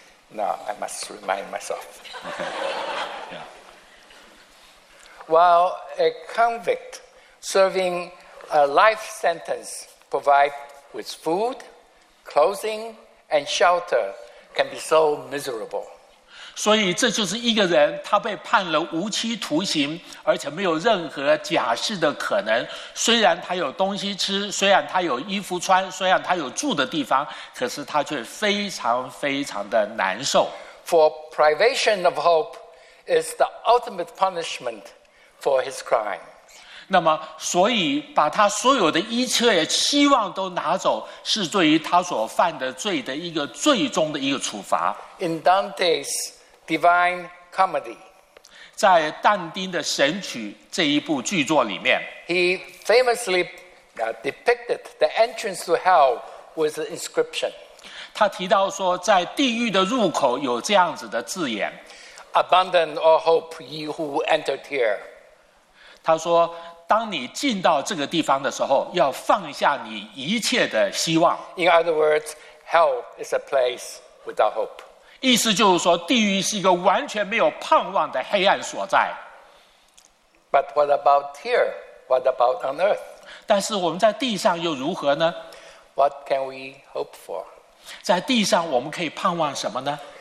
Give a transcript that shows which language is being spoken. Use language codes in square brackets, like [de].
[en] Now, I must remind myself. Okay. Yeah. While a convict... Serving a life sentence provided with food, clothing, and shelter can be so miserable. [zh] 所以这就是一个人他被判了无期徒刑，而且没有任何假释的可能。虽然他有东西吃，虽然他有衣服穿，虽然他有住的地方，可是他却非常非常的难受。 [en] For privation of hope is the ultimate punishment for his crime. [zh] 那么所以把他所有的一切希望都拿走，是对于他所犯的罪的一个最终的一个处罚。 [en] In Dante's Divine Comedy, [zh] 在但丁的神曲这一部剧作里面， [en] He famously depicted the entrance to hell with an inscription. [zh] 他提到说在地狱的入口有这样子的字眼， [en] Abandon all hope, ye who entered here. [zh] 他说当你进到这个地方的时候要放下你一切的希望。 [en] In other words, hell is a place without hope. [zh] 意思就是说地狱是一个完全没有盼望的黑暗所在。 [en] But what about here? What about on earth? [zh] 但是我们在地上又如何呢？ [en] What can we hope for? [zh] 在地上我们可以盼望什么呢？